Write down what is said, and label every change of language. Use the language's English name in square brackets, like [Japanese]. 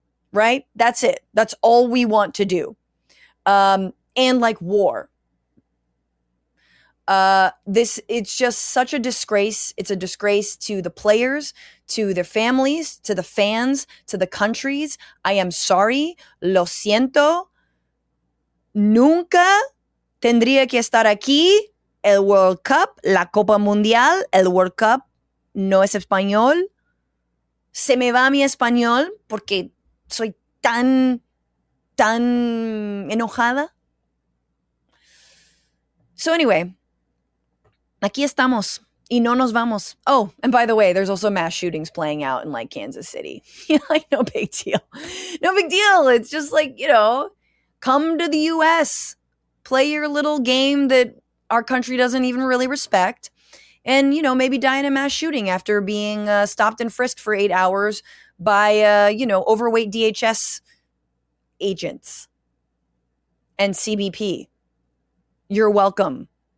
[English] Right? That's it. That's all we want to do. And like war. It's just such a disgrace. It's a disgrace to the players, to their families, to the fans, to the countries. I am sorry. [Spanish] Lo siento. Nunca tendría que estar aquí. El World Cup, la Copa Mundial, el World Cup no es español. Se me va mi español porque soy tan, tan enojada. [English] So anyway, [Spanish] aquí estamos y no nos vamos. [English] Oh, and by the way, there's also mass shootings playing out in like Kansas City. Like, no big deal. No big deal. It's just like, you know, come to the U.S., play your little game that our country doesn't even really respect. And, you know, maybe die in a mass shooting after being stopped and frisked for 8 hours by, you know, overweight DHS agents and CBP. You're welcome.